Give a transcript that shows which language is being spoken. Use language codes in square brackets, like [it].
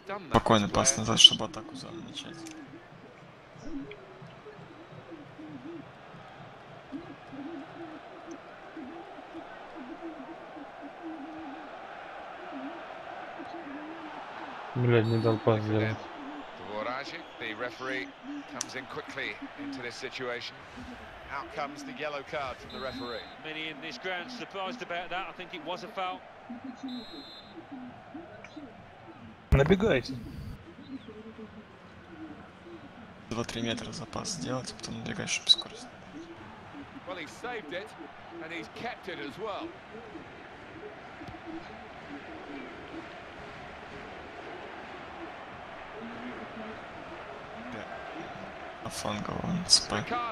[ru] Спокойный пас назад, чтобы атаку за начать. Блядь, не дал пас сделать. [en] The referee comes in quickly into this situation. Out comes the yellow card from the referee. Many in this ground surprised about that. I think it was a foul. [ru] Набегайте. 2-3 метра запас сделать, а потом набегать, чтобы скорость. [en] Well, he saved it, and he's kept it as well. [ru] Фанговый спайк.